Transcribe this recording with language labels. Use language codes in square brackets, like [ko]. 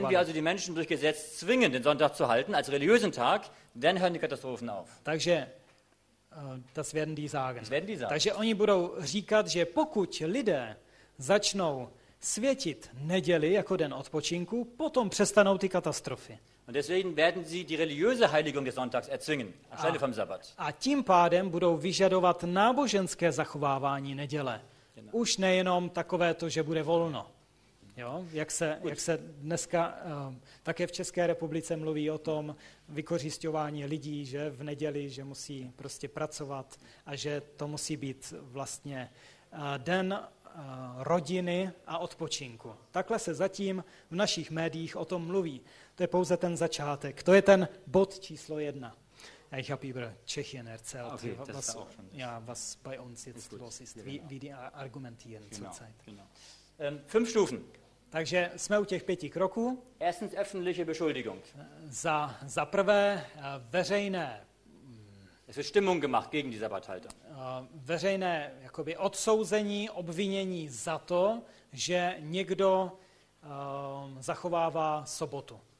[de] Wenn wir also die Menschen durch Gesetz zwingen, den Sonntag zu halten, als religiösen Tag, dann hören die Katastrophen auf. Takže das werden die sagen. Das werden die sagen. [cs] Takže oni budou říkat, že pokud lidé začnou světit neděli jako den odpočinku, potom přestanou ty katastrofy. [de] Und deswegen werden sie die religiöse Heiligung des Sonntags erzwingen, anstelle vom Sabbat. [cs] A tím pádem budou vyžadovat náboženské zachovávání neděle. Genau. Už nejenom takové to, že bude volno. Jo, jak se dneska také v České republice mluví o tom vykořisťování lidí, že v neděli, že musí prostě pracovat a že to musí být vlastně den rodiny a odpočinku. Takhle se zatím v našich médiích o tom mluví. To je pouze ten začátek. To je ten bod číslo jedna. [de] Ich habe über Tschechien erzählt, okay, was, ja, was bei uns jetzt gut, los ist, wie die argumentieren genau, zurzeit. Genau. Fünf Stufen. [cs] Takže jsme u těch pěti kroků. [de] Erstens öffentliche Beschuldigung. [cs] Za prvé veřejné. [de] Es wird Stimmung gemacht gegen die Sabbathalter. [cs] Veřejné jakoby odsouzení, obvinění za to, že někdo zachovává sobotu.